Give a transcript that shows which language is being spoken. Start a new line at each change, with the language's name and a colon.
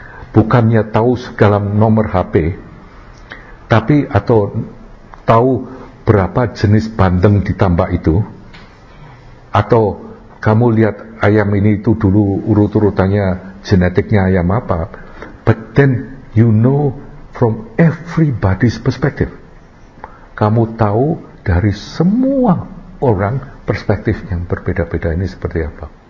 Indonesian: Bukannya tahu segala nomor HP, tapi atau tahu berapa jenis bandeng ditambah itu, atau kamu lihat ayam ini itu dulu urut-urutannya genetiknya ayam apa.
English: But then you know from everybody's perspective.
Indonesian: Kamu tahu dari semua orang perspektif yang berbeda-beda ini seperti apa.